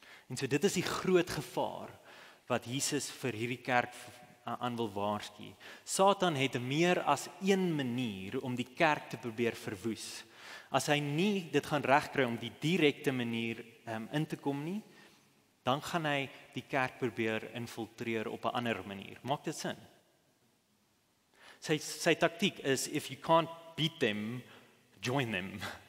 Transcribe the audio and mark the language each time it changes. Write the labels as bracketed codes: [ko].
[af] En so dit is die groot gevaar wat Jesus vir hierdie kerk aan wil waarsku. Satan het meer as een manier om die kerk te probeer verwoes. As hy nie dit gaan regkry om die direkte manier in te kom nie, dan gaan hy die kerk probeer infiltreer op 'n ander manier. Maak dit sin? Sy taktiek is, [en] if you can't beat them, join them.